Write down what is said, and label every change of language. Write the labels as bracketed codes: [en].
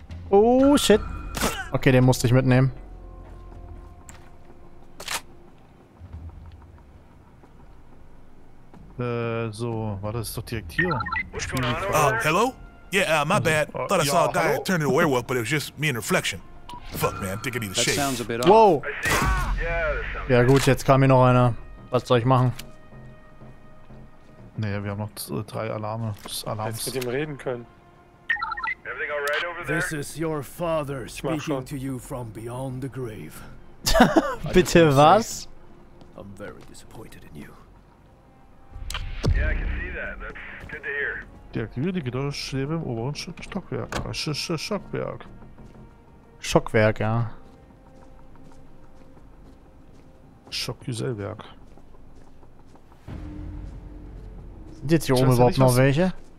[en] Oh shit. [de] Okay, den musste ich mitnehmen. So, war das doch direkt hier? [en] Hello? Yeah, my bad. Thought I saw a guy turn into a werewolf, but it was just me and reflection. Fuck, man, think I need a shake. Wow! [de] Ja, gut, jetzt kam hier noch einer. Was soll ich machen? Naja, wir haben noch drei Alarme. Hättest du mit ihm reden können? [en] Everything alright over there? This is your father speaking to you from beyond the grave. [de] Bitte was? [en] I'm very disappointed in you. Yeah, I can see that. That's good to hear. [de] Deaktiviere die Gitterstäbe im oberen Stockwerk. Schockwerk. Schockwerk, ja. Schockgesellwerk. Sind jetzt hier oben überhaupt noch welche?